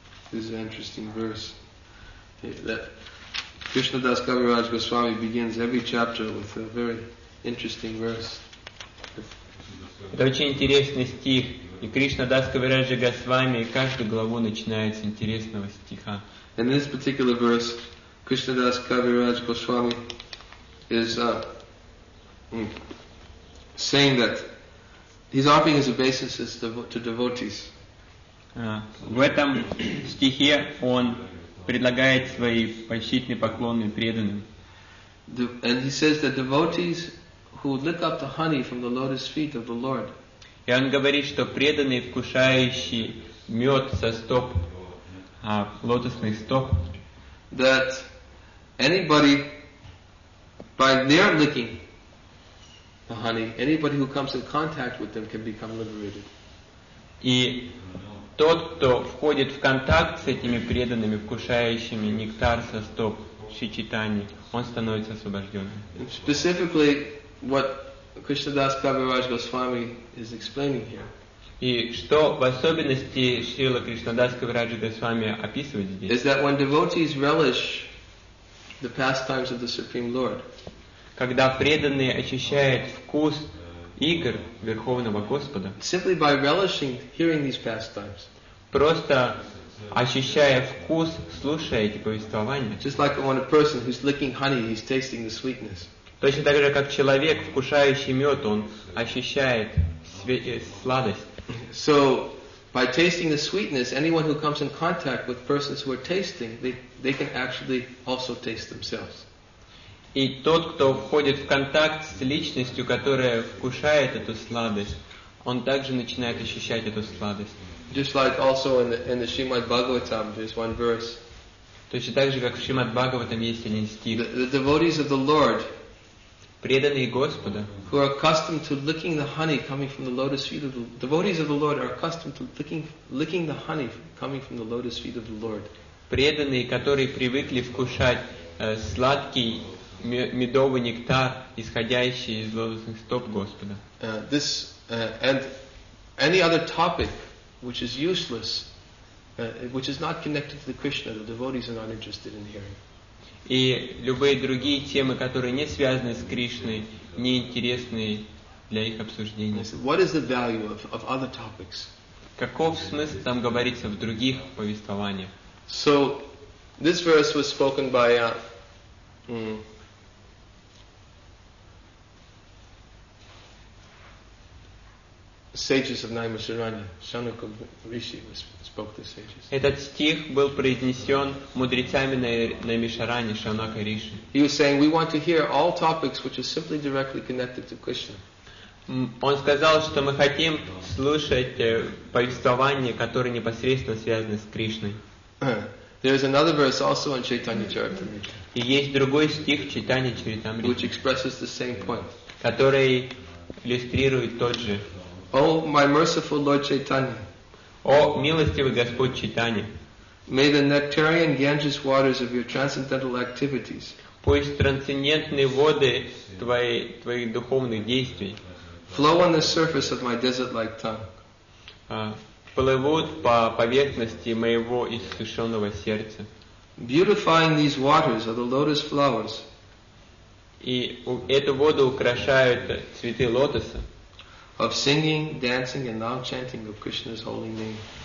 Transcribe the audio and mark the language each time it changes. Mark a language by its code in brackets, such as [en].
[en] This is an interesting verse. Krishnadas Kaviraj Goswami begins every chapter with a very interesting verse. [ru] Это очень интересный стих. И Кришна Дас Кавираджа Госвами каждую главу начинает с интересного стиха. [en] In this particular verse, Krishna Das Kaviraj Goswami is saying that he's offering his obeisances to devotees. [ru] В этом стихе он предлагает свои почтительные поклоны преданным. [en] And he says that devotees who lick up the honey from the lotus feet of the Lord. [ru] И он говорит, что преданные, вкушающие мед со стоп, лотосных стоп. [en] That anybody by their licking the honey, anybody who comes in contact with them can become liberated. [ru] И тот, кто входит в контакт с этими преданными, вкушающими нектар со стоп Шри Чайтаньи, он становится освобожденным. [en] Specifically, what Krishna Das Kaviraj Goswami is explaining here. [ru] И что в особенности Шрила Кришна Дас Кавираджа Госвами описывает здесь? [en] Is that when devotees relish the pastimes of the Supreme Lord? [ru] Когда преданные ощущают вкус игр Верховного Господа. [en] Simply by relishing hearing these pastimes. [ru] Просто ощущая вкус, слушая эти повествования. [en] Just like when a person who's licking honey, he's tasting the sweetness. [ru] Точно так же, как человек, вкушающий мед, он ощущает сладость. [en] So, by tasting the sweetness, anyone who comes in contact with persons who are tasting, they can actually also taste themselves. [ru] И тот, кто входит в контакт с личностью, которая вкушает эту сладость, он также начинает ощущать эту сладость. [en] Just like also in the Srimad Bhagavatam, there's one verse. [ru] Точно так же, как в Шримад Бхагаватам есть один стих. [en] The devotees of the Lord, [ru] преданные Господа, [en] who are accustomed to licking the honey coming from the lotus feet of the devotees of the Lord are accustomed to licking the honey coming from the lotus feet of the Lord. [ru] Преданные, которые привыкли вкушать сладкий медовый нектар, исходящий из лотосных стоп Господа. [en] This and any other topic which is useless, which is not connected to the Krishna, the devotees are not interested in hearing. [ru] И любые другие темы, которые не связаны с Кришной, не интересны для их обсуждения. [en] What is the value of other topics? [ru] Каков смысл там говорится в других повествованиях? [en] So, this verse was spoken by sages of Naimasaranya. Shanuka Rishi spoke to sages. [ru] Этот стих был произнесен мудрецами Наймишарани, Шанака Риши. [en] He was saying, we want to hear all topics which are simply directly connected to Krishna. [ru] Он сказал, что мы хотим слушать повествования, которые непосредственно связаны с Кришной. [en] There is another verse also in Chaitanya Charitamrita. [ru] И есть другой стих Чайтанья Чаритамрита, [en] which expresses the same point. [ru] Который иллюстрирует тот же. [en] O my merciful Lord Chaitanya. [ru] О, милостивый Господь Чайтанья. [en] May the nectarian Ganges waters of your transcendental activities. [ru] Пусть трансцендентные воды твоих духовных действий. [en] Flow on the surface of my desert-like tongue. [ru] Плывут по поверхности моего иссушенного сердца. [en] Beautifying these waters are the lotus flowers. [ru] И эту воду украшают цветы лотоса. [en] Of singing, dancing, and now chanting of Krishna's holy name.